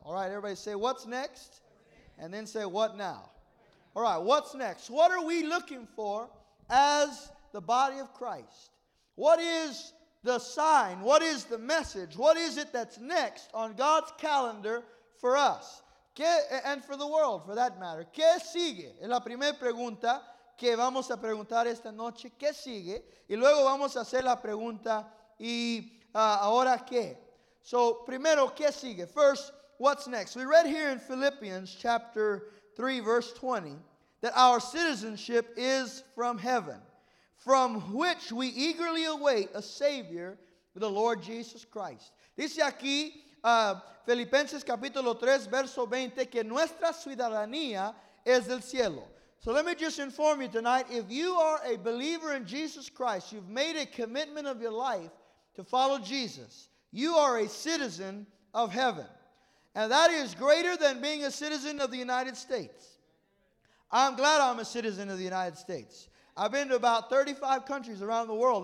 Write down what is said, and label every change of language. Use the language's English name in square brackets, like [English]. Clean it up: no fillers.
[English] All right, everybody say, what's next? And then say, what now? All right, what's next? What are we looking for as the body of Christ? What is the sign? What is the message? What is it that's next on God's calendar for us? And for the world, for that matter. [Spanish] ¿Qué sigue? Es la primera pregunta que vamos a preguntar esta noche. ¿Qué sigue? Y luego vamos a hacer la pregunta, ¿y ahora qué? [English] So, [Spanish] primero, ¿qué sigue? [English] First, what's next? We read here in Philippians chapter 3, verse 20, that our citizenship is from heaven, from which we eagerly await a Savior, the Lord Jesus Christ. [Spanish] Dice aquí, Filipenses capítulo 3, verso 20, que nuestra ciudadanía es del cielo. [English] So let me just inform you tonight, if you are a believer in Jesus Christ, you've made a commitment of your life to follow Jesus, you are a citizen of heaven. And that is greater than being a citizen of the United States. I'm glad I'm a citizen of the United States. I've been to about 35 countries around the world.